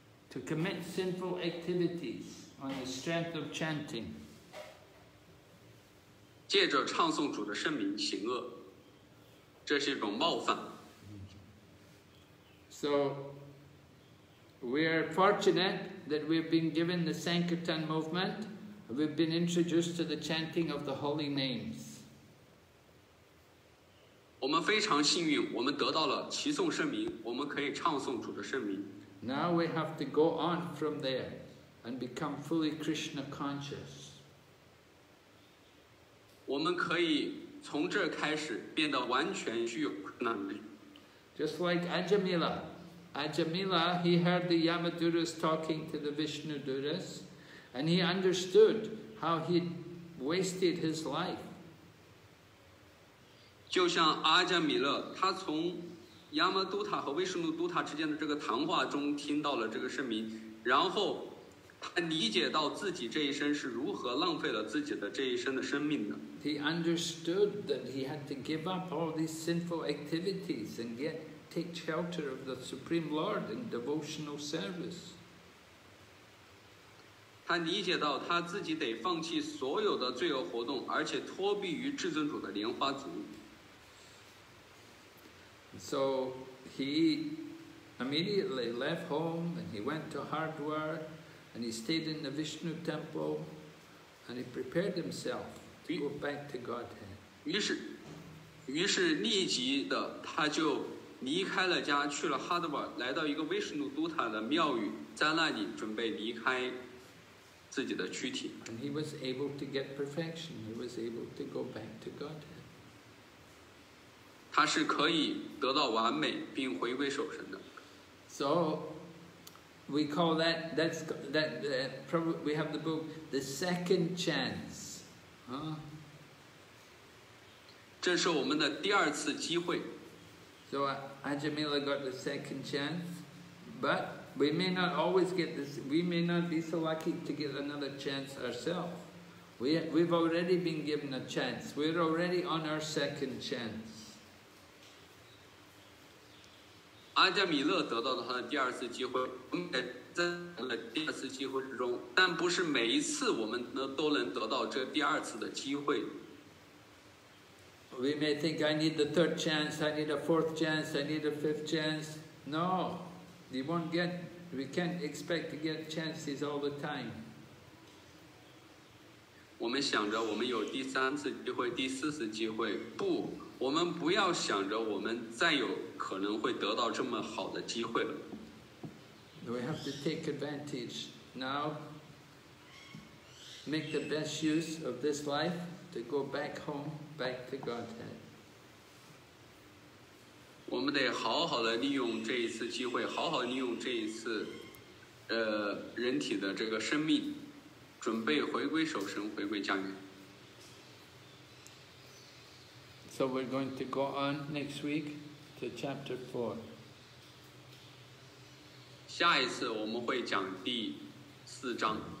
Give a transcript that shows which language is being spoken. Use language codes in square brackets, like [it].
[en] To commit sinful activities on the strength of chanting. [zh] 借着唱诵主的圣名行恶，这是一种冒犯。 [en] So, we are fortunate that we've been given the Sankirtan movement. We've been introduced to the chanting of the holy names. [zh] 我们非常幸运，我们得到了齐诵圣名，我们可以唱诵主的圣名。 [en] Now we have to go on from there and become fully Krishna conscious. [zh] 我们可以从这开始变得完全具有能力。 [en] Just like Ajamila, he heard the Yamaduras talking to the Vishnuduras, and he understood how he wasted his life. [zh] 就像阿加米勒，他从亚玛都塔和维什努都塔之间的这个谈话中听到了这个圣名，然后他理解到自己这一生是如何浪费了自己的这一生的生命的。 [en] He understood that he had to give up all these sinful activities and yet take shelter of the Supreme Lord in devotional service. [zh] 他理解到他自己得放弃所有的罪恶活动，而且托庇于至尊主的莲花足。 [en] So he immediately left home and he went to Hardwar and he stayed in the Vishnu temple and he prepared himself. Go back to Godhead. [zh] 于是立即的他就离开了家，去了哈德瓦，来到一个维什努都塔的庙宇，在那里准备离开自己的躯体。 [en] And he was able to get perfection. He was able to go back to Godhead. [zh] 他是可以得到完美并回归守神的。 [en] So we call that probably we have the book The Second Chance. [zh] 这是我们的第二次机会。 [en] So Ajamila got the second chance, but we may not always get this. We may not be so lucky to get another chance ourselves. We've already been given a chance. We're already on our second chance. [zh] 阿加米勒得到了他的第二次机会，我们在第二次机会之中，但不是每一次我们都能得到这第二次的机会。 [en] We may think I need the third chance, I need a fourth chance, I need a fifth chance. No, you won't get. We can't expect to get chances all the time. [zh] 我们想着我们有第三次机会、第四次机会，不，我们不要想着我们再有可能会得到这么好的机会了。 [en] We have to take advantage now, make the best use of this life to go back home, back to Godhead. [zh] 我们得好好的利用这一次机会，好好利用这一次，人体的这个生命，准备回归守神，回归家园。 [en] So we're going to go on next week to chapter 4. [zh] 下一次我们会讲第四章。